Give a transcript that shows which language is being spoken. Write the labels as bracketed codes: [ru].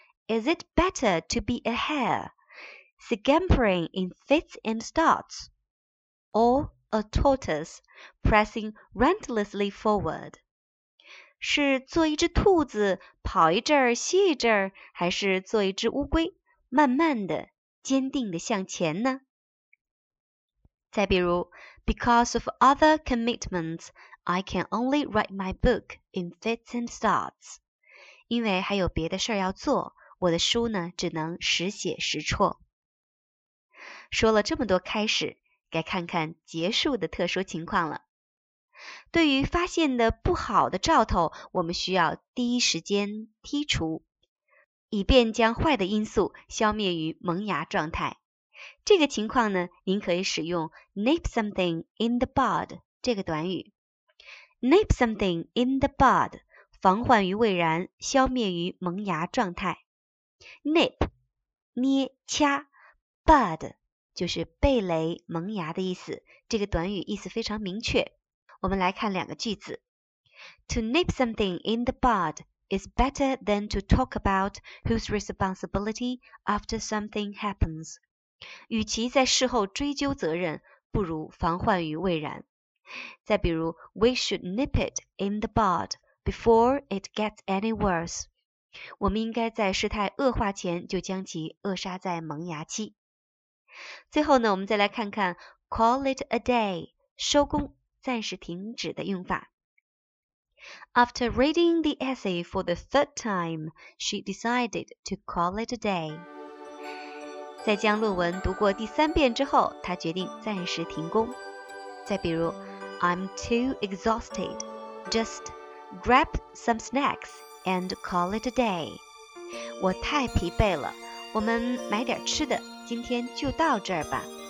[en] Is it better to be a hare, scampering in fits and starts, or a tortoise pressing relentlessly forward? [zh] 是做一只兔子跑一阵儿歇一阵儿，还是做一只乌龟慢慢的坚定的向前呢？再比如 [en] ,because of other commitments, I can only write my book in fits and starts. [zh] 因为还有别的事儿要做，我的书呢只能时写时辍。说了这么多开始，该看看结束的特殊情况了。对于发现的不好的兆头，我们需要第一时间剔除，以便将坏的因素消灭于萌芽状态。这个情况呢，您可以使用 [en] nip something in the bud [zh] 这个短语。 [en] nip something in the bud [zh] 防患于未然，消灭于萌芽状态。 nip 捏掐 ，bud 就是蓓蕾萌芽的意思。这个短语意思非常明确。我们来看两个句子。 [en] To nip something in the bud is better than to talk about whose responsibility after something happens. [zh] 与其在事后追究责任，不如防患于未然。再比如 [en] ,we should nip it in the bud before it gets any worse. [zh] 我们应该在事态恶化前就将其扼杀在萌芽期。最后呢，我们再来看看 [en] call it a day, [zh] 收工。暂时停止的用法。 [en] After reading the essay for the third time, she decided to call it a day. [zh] 在将论文读过第三遍之后，她决定暂时停工。再比如 [en] ,I'm too exhausted. Just grab some snacks and call it a day. [zh] 我太疲惫了，我们买点吃的，今天就到这儿吧。